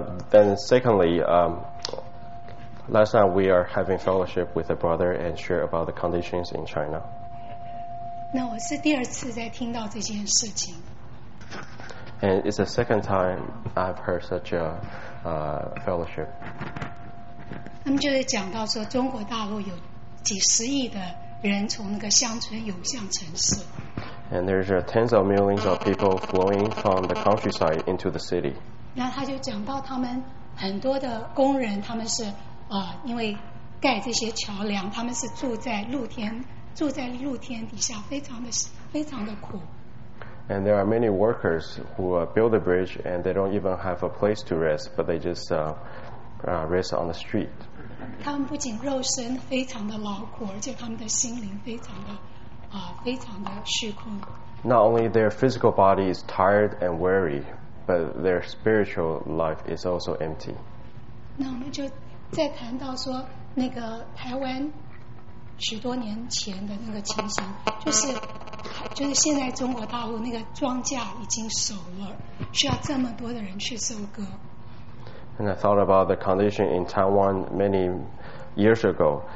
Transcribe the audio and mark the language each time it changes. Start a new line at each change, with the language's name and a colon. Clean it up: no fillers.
English: Then secondly, last night we are having fellowship with a brother and share about the conditions in China.
Chinese: 那我是第二次在听到这件事情。
English: And it's the second time I've heard such a fellowship.
Chinese: 他们就是讲到说中国大陆有几十亿的人从那个乡村涌向城市。
English: And there's tens of millions of people flowing from the countryside into the city.
Chinese: 那他就讲到他们很多的工人，他们是因为盖这些桥梁，他们是住在露天底下，非常的苦。
English: And there are many workers who build the bridge, and they don't even have a place to rest, but they just rest on the street.
Chinese: 他们不仅肉身非常的劳苦，而且他们的心灵非常的虚空。
English: Not only their physical body is tired and weary, but their spiritual life is also empty.
Chinese: 那我们就再谈到说那个台湾许多年前的那个情形，就是现在中国大陆那个庄稼已经熟了，需要这么多的人去收割。
English: And I thought about the condition in Taiwan many years ago.